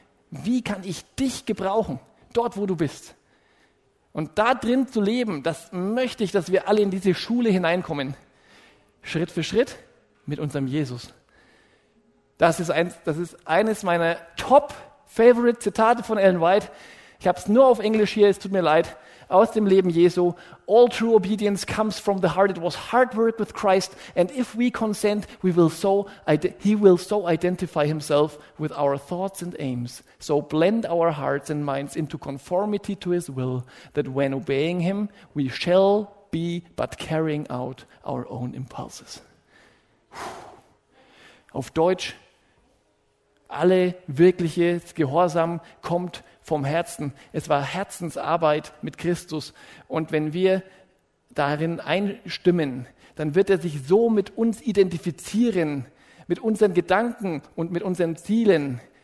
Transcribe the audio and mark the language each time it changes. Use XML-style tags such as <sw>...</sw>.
<de>Wie kann ich dich gebrauchen, dort wo du bist. Und da drin zu leben, das möchte ich, dass wir alle in diese Schule hineinkommen. Schritt für Schritt mit unserem Jesus. Das ist eines meiner Top-Favorite-Zitate von Ellen White. Ich habe es nur auf Englisch hier, es tut mir leid. Aus dem Leben Jesu.</de> <en>All true obedience comes from the heart. It was hard work with Christ. And if we consent, he will so identify himself with our thoughts and aims. So blend our hearts and minds into conformity to his will, that when obeying him, we shall be but carrying out our own impulses.</en> <de>Auf Deutsch, alle wirkliche Gehorsam kommt vom Herzen. Es war Herzensarbeit mit Christus. Und wenn wir darin einstimmen, dann wird er sich so mit uns identifizieren, mit unseren Gedanken und mit unseren Zielen.</de>